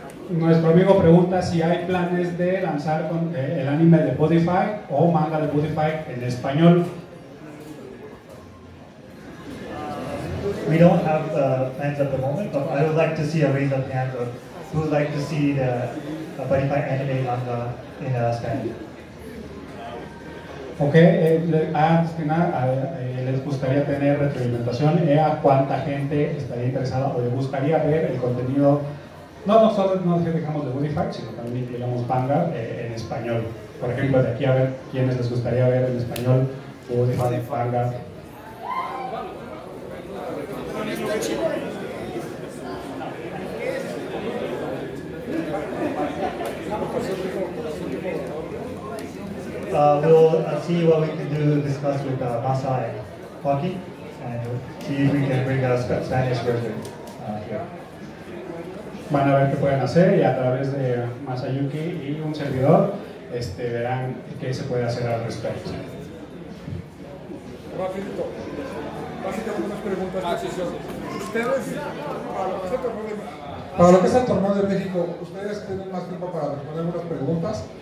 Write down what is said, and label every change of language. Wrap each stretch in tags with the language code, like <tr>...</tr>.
<es>Nuestro amigo pregunta si hay planes de lanzar con el anime de Bodify o manga de Bodify en español.</es> <en>We don't have plans at the moment, but I would like to see a raise of hands of who would like to see the Bodify anime manga in Spanish.</en> <es>Okay, antes que nada, les gustaría tener retroalimentación a cuánta gente estaría interesada o le gustaría ver el contenido. No, nosotros no dejamos de Bodify, sino también digamos Vanguard en español. Por ejemplo, de aquí a ver quiénes les gustaría ver en español Bodify Vanguard. Bueno,</es> <en>We'll see what we can do and discuss with Masa and Joaki, and see if we can bring a Spanish version here.</en> <es>Van a ver qué pueden hacer y a través de Masayuki y un servidor verán qué se puede hacer al respecto. Rafito, ¿tienes algunas preguntas? Ustedes, para lo que es el torneo de México, ustedes tienen más tiempo para responder unas preguntas.</es>